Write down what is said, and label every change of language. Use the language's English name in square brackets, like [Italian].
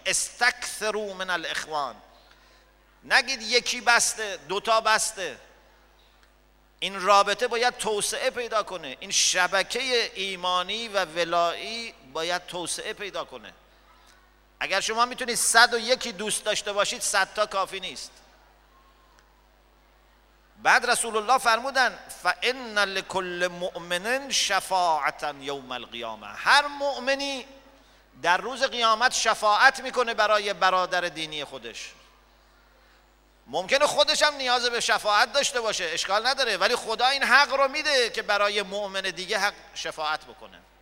[Arabic] استکثروا من الاخوان. [Persian] نگید یکی بسته، دوتا بسته. این رابطه باید توسعه پیدا کنه، این شبکه ایمانی و ولایی باید توسعه پیدا کنه. اگر شما میتونید 101 دوست داشته باشید، 100 تا کافی نیست. بعد رسول الله فرمودن [Arabic] فان لكل مؤمن شفاعه يوم القيامه. [Persian] هر مؤمنی در روز قیامت شفاعت میکنه برای برادر دینی خودش. ممکنه خودش هم نیاز به شفاعت داشته باشه، اشکال نداره، ولی خدا این حق رو میده که برای مؤمن دیگه حق شفاعت بکنه.